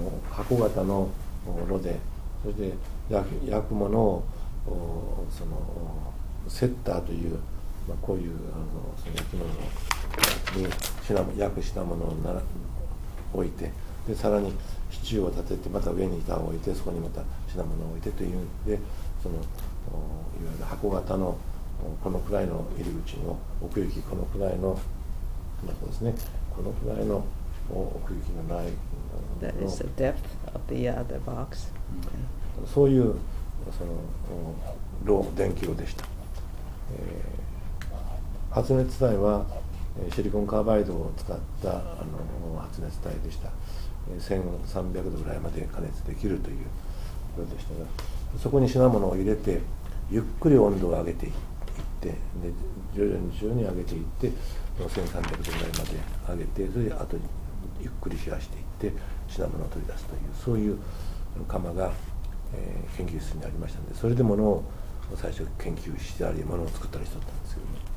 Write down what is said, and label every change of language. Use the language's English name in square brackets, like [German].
[Japanese] 箱型の炉で、それで焼くものをそのセッターという、こういうその焼き物の焼く品物を置いて、でさらに支柱を立てて、また上に板を置いて、そこにまた品物を置いてというんで、そのいわゆる箱型のこのくらいの入り口の奥行き、このくらいの、まあ、そうですね、このくらいの奥行きのないの [English] That is the depth of the other box. [Japanese] そういうその炉、電気炉でした。発熱体はシリコンカーバイドを使った発熱体でした。 1300度ぐらいまで加熱できるというようでしたが、そこに品物を入れてゆっくり温度を上げていって、で徐々に上げていって、1300度ぐらいまで上げて、それであとゆっくり冷やしていって品物を取り出すという、そういう釜が、研究室にありましたので、それで物を最初研究してあり、物を作ったりしとったんですけども、